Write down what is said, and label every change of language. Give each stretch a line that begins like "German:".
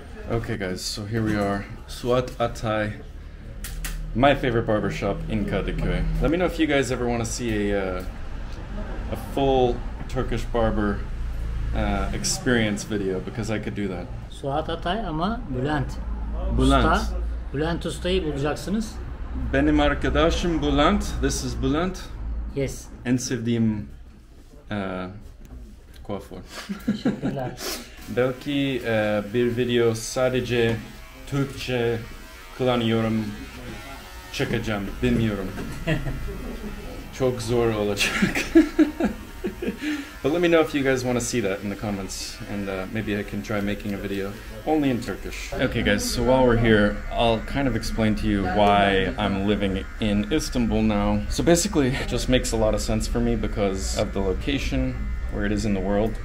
English: Okay guys, so here we are, Suat Atay. My favorite barbershop in Kadikoy. Let me know if you guys ever want to see a full Turkish barber experience video, because I could do that.
Turkish: Suat Atay ama Bülent. Bülent. Usta. Bülent Usta'yı bulacaksınız. Benim arkadaşım Bülent.
English: This is Bülent. Yes.
Turkish: En sevdiğim kuaför. Belki bir video sadece Türkçe kullanıyorum. Çıkacağım, bilmiyorum. Çok zor olacak.
English: But let me know if you guys want to see that in the comments, and maybe I can try making a video only in Turkish. Okay guys, so while we're here, I'll kind of explain to you why I'm living in Istanbul now. So basically, it just makes a lot of sense for me because of the location, where it is in the world.